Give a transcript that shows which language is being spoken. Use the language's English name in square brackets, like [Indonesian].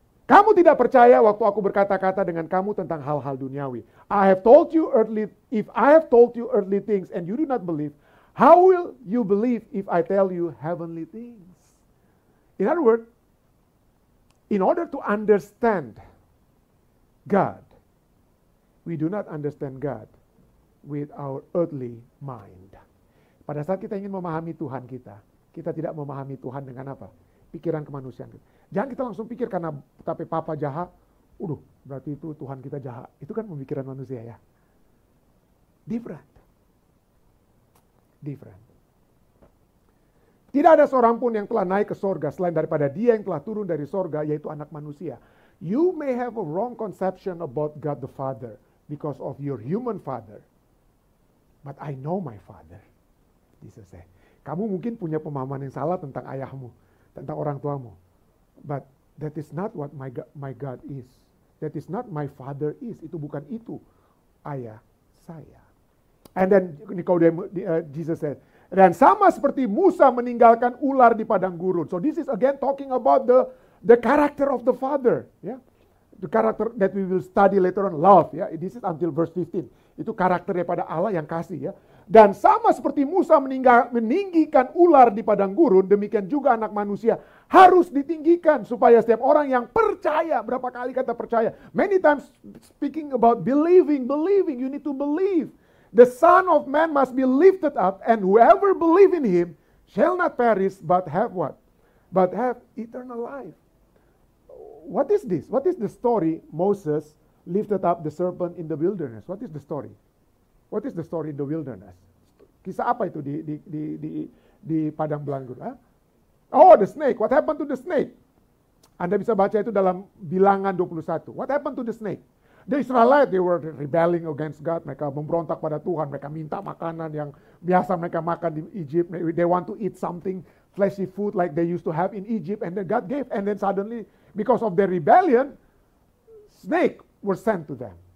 [Indonesian] Kamu tidak percaya waktu aku berkata-kata dengan kamu tentang hal-hal duniawi. [English] I have told you earthly, if I have told you earthly things and you do not believe, how will you believe if I tell you heavenly things? In other words, in order to understand God, we do not understand God with our earthly mind. [Indonesian] Pada saat kita ingin memahami Tuhan kita, kita tidak memahami Tuhan dengan apa? Pikiran kemanusiaan kita. Jangan kita langsung pikir karena tapi papa jahat, udah berarti itu Tuhan kita jahat. Itu kan pemikiran manusia ya. [English] Different. Different. [Indonesian] Tidak ada seorang pun yang telah naik ke sorga selain daripada dia yang telah turun dari sorga, yaitu anak manusia. [English] You may have a wrong conception about God the Father because of your human father. But I know my father. Jesus said. [Indonesian] Kamu mungkin punya pemahaman yang salah tentang ayahmu, tentang orang tuamu. [English] But that is not what my God is. That is not my father is. [Indonesian] Itu bukan itu ayah saya. [English] And then Jesus said, [Indonesian] dan sama seperti Musa meninggalkan ular di padang gurun. [English] So this is again talking about the character of the Father, yeah, the character that we will study later on, love, yeah. This is until verse 15. [Indonesian] Itu karakter daripada Allah yang kasih, yeah. Dan sama seperti Musa meninggikan ular di padang gurun, demikian juga anak manusia harus ditinggikan supaya setiap orang yang percaya, berapa kali kata percaya, [English] many times speaking about believing, you need to believe. The Son of Man must be lifted up, and whoever believe in Him shall not perish, but have what? But have eternal life. What is this? What is the story? Moses lifted up the serpent in the wilderness. What is the story? What is the story in the wilderness? [Indonesian] Kisah apa itu di padang belanggur? [English] Huh? Oh, the snake. What happened to the snake? [Indonesian] Anda bisa baca itu dalam Bilangan 21. [English] What happened to the snake? The Israelites, they were rebelling against God. [Indonesian] Mereka memberontak pada Tuhan. Mereka minta makanan yang biasa mereka makan di Egypt. [English] They want to eat something fleshy food like they used to have in Egypt. And then God gave. And then suddenly, because of their rebellion, snake were sent to them.